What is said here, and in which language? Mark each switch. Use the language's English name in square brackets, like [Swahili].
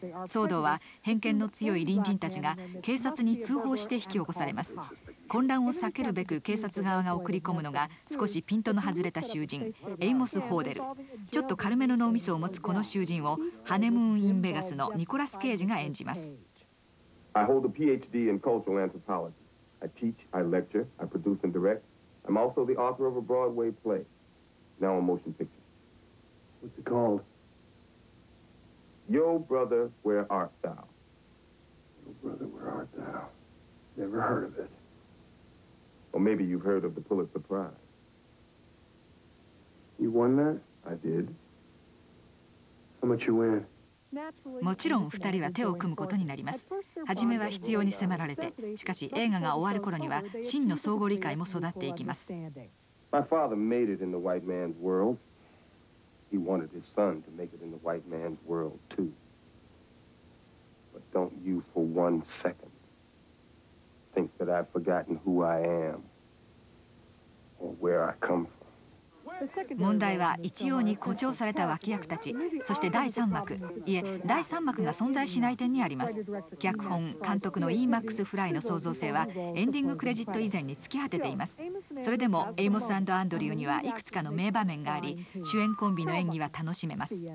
[Japanese] 騒動は偏見の強い隣人たちが警察に通報して引き起こされます。混乱を避けるべく警察側が送り込むのが少しピントの外れた囚人エイモス・ホーデル。ちょっと軽めの脳みそを持つこの囚人をハネムーン・イン・ベガスのニコラス・ケージが演じます。 [English] I hold a PhD in cultural anthropology. I teach, I lecture, I produce and direct. I'm also the author of a Broadway play, now a motion picture. What's it called? Yo, brother, where art thou? Yo, brother, where art thou? Never heard of it. Or maybe you've heard of the Pulitzer Prize. You won that? I did. How much you win? [Japanese] もちろん2人は手を組むことになります。初めは必要に迫られて、しかし映画が終わる頃には真の相互理解も育っていきます。 [English] My father made it in the white man's world. He wanted his son to make it in the white man's world too. But don't you for one secondThink that I've forgotten who I am or where I come from. [Japanese] 問題は一様に誇張された脇役たち、そして第3幕、いえ第3幕が存在しない点にあります。脚本監督のイーマックス・フライの創造性はエンディングクレジット以前に突き果てています。それでもエイモス&アンドリューにはいくつかの名場面があり、主演コンビの演技は楽しめます。